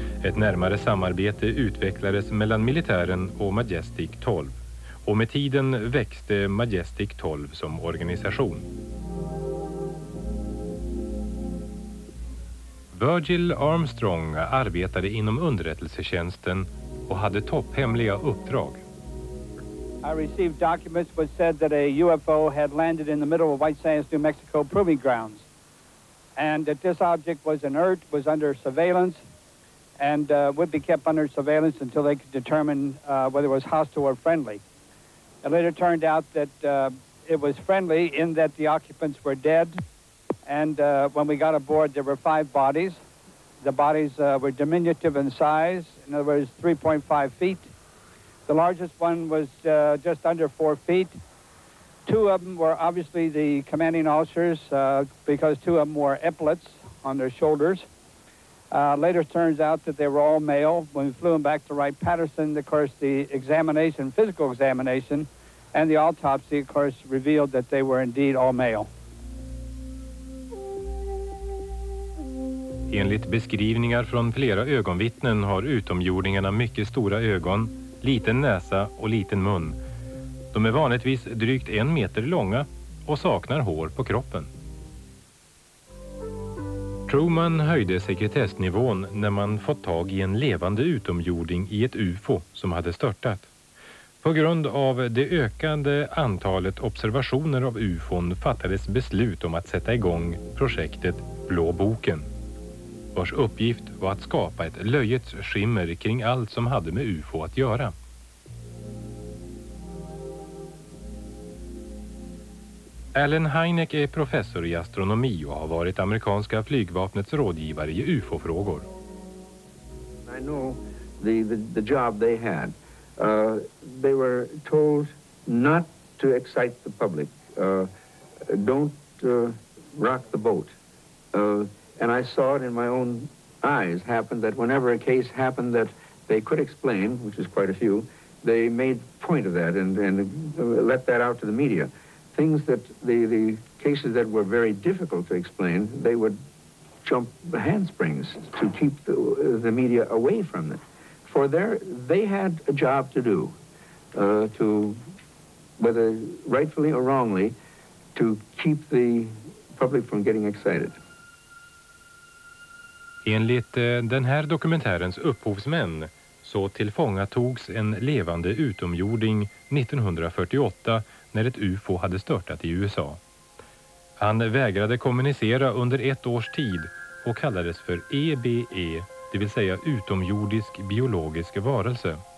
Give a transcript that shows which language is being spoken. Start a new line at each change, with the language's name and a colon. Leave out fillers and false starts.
Swedish: Ett närmare samarbete utvecklades mellan militären och Majestic 12. Och med tiden växte Majestic 12 som organisation. Virgil Armstrong arbetade inom underrättelsetjänsten och hade topphemliga uppdrag.
English: I received documents which said that a UFO had landed in the middle of White Sands, New Mexico proving grounds, and that this object was inert, was under surveillance, and would be kept under surveillance until they could determine whether it was hostile or friendly. It later turned out that it was friendly in that the occupants were dead, and when we got aboard, there were five bodies. The bodies were diminutive in size, in other words, 3.5 feet. The largest one was just under 4 feet. Two of them were obviously the commanding officers because two of them wore epaulets on their shoulders. Later turns out that they were all male. When we flew them back to Wright-Patterson, of course, the examination, physical examination, and the autopsy, of course, revealed that they were indeed all male.
Swedish: Enligt beskrivningar från flera ögonvittnen har utomjordingarna mycket stora ögon, liten näsa och liten mun. De är vanligtvis drygt en meter långa och saknar hår på kroppen. Truman höjde sekretessnivån när man fått tag i en levande utomjording i ett UFO som hade störtat. På grund av det ökande antalet observationer av UFO:n fattades beslut om att sätta igång projektet Blå boken, vars uppgift var att skapa ett löjets skimmer kring allt som hade med UFO att göra. Alan Hynek är professor i astronomi och har varit amerikanska flygvapnets rådgivare i UFO-frågor.
English: I know the job they had. They were told not to excite the public. Don't rock the boat. And I saw it in my own eyes happen that whenever a case happened that they could explain, which is quite a few, they made point of that and let that out to the media. Things that the cases that were very difficult to explain, they would jump handsprings to keep the media away from it. For they had a job to do, to, whether rightfully or wrongly, to keep the public from getting excited.
Swedish: Enligt den här dokumentärens upphovsmän så tillfångatogs en levande utomjording 1948 när ett UFO hade störtat i USA. Han vägrade kommunicera under ett års tid och kallades för EBE, det vill säga utomjordisk biologisk varelse.